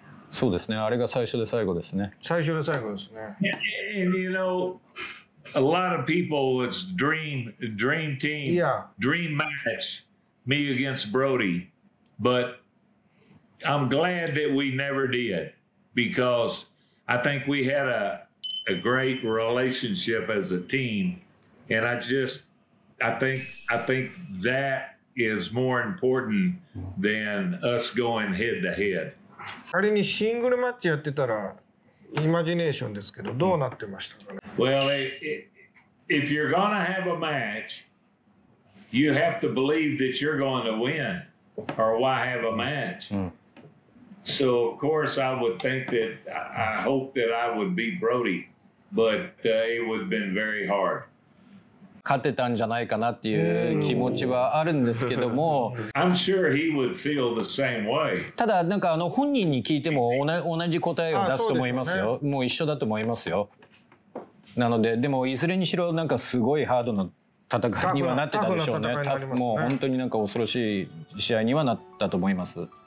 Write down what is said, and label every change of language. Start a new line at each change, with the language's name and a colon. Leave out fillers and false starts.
Japanese: そうですね。あれが最初で最後ですね。最初で最後ですね。
English: And you know, a lot of people, it's dream team. Yeah. Dream match. Me against Brody. But I'm glad that we never did. Because... I think we had a great relationship as a team, and I think that is more important than us going head to head.
Japanese: 仮にシングルマッチやってたら、イマジネーションですけど、どうなってましたかね？
English: Well, if you're gonna have a match, you have to believe that you're going to win, or why have a match? Mm. So of course I would think that I hope that I would beat Brody, but it would have been very hard.
Japanese: 勝てたんじゃないかなっていう気持ちはあるんですけども、
English: I'm sure he would feel the same way.
Japanese: ただなんかあの本人に聞いても同じ答えを出すと思いますよ。もう一緒だと思いますよ。なのででもいずれにしろなんかすごいハードな戦いにはなってたでしょうね。もう本当になんか恐ろしい試合にはなったと思います。